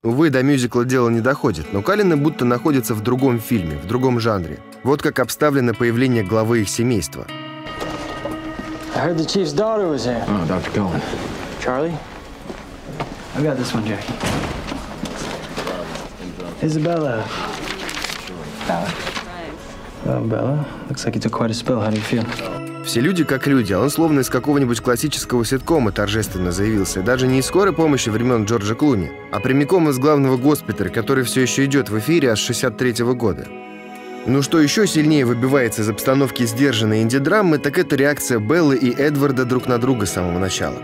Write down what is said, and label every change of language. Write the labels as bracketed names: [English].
[Russian] истории до мюзикла дело не доходит, но Каллены будто находятся в другом фильме, в другом жанре. Вот как обставлено появление главы их семейства. [English] I heard the chief's daughter was here. Oh, Dr. Cullen. Charlie? I got this one, Jackie. Isabella. Bella. Well, Bella, looks like you took quite a spill. How do you feel? [Russian] Все люди как люди, а он словно из какого-нибудь классического ситкома торжественно заявился. Даже не из скорой помощи времен Джорджа Клуни, а прямиком из главного госпиталя, который все еще идет в эфире аж 63-го года. Ну что еще сильнее выбивается из обстановки сдержанной инди-драмы, так это реакция Беллы и Эдварда друг на друга с самого начала.